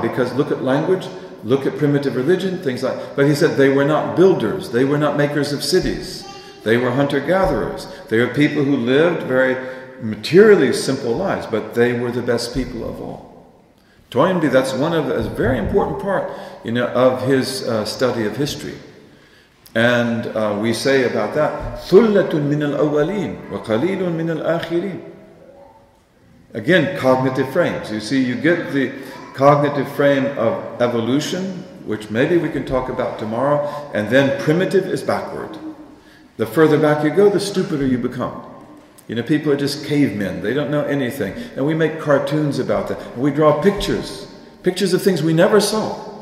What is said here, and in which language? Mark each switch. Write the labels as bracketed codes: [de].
[en] Because look at language, look at primitive religion, things like, but he said they were not builders, they were not makers of cities, they were hunter-gatherers, they were people who lived very materially simple lives, but they were the best people of all. Toynbee, that's one of a very important part, you know, of his study of history. And we say about that, [ar] ثُلَّةٌ مِّنَ الْأَوَّلِينَ وَقَلِيلٌ مِّنَ الْآخِرِينَ. [en] Again, cognitive frames. You see, you get the cognitive frame of evolution, which maybe we can talk about tomorrow, and then primitive is backward. The further back you go, the stupider you become. You know, people are just cavemen. They don't know anything. And we make cartoons about that. And we draw pictures. Pictures of things we never saw.